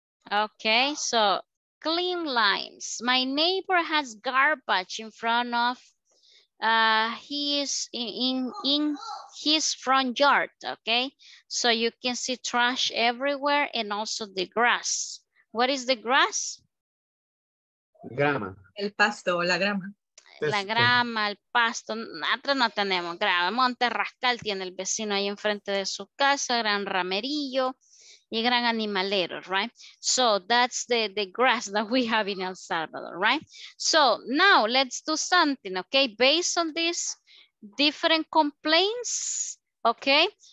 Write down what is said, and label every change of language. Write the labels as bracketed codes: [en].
[en] Okay, so clean lines. My neighbor has garbage in front of his front yard. Okay, so you can see trash everywhere and also the grass. What is the grass? [es] Grama. El pasto, la grama. La grama, el pasto, nosotros no tenemos grama. Monte Rascal tiene el vecino ahí enfrente de su casa, gran ramerillo y gran animalero, right? [en] So that's the grass that we have in El Salvador, right? So now let's do something, okay? Based on these different complaints, okay?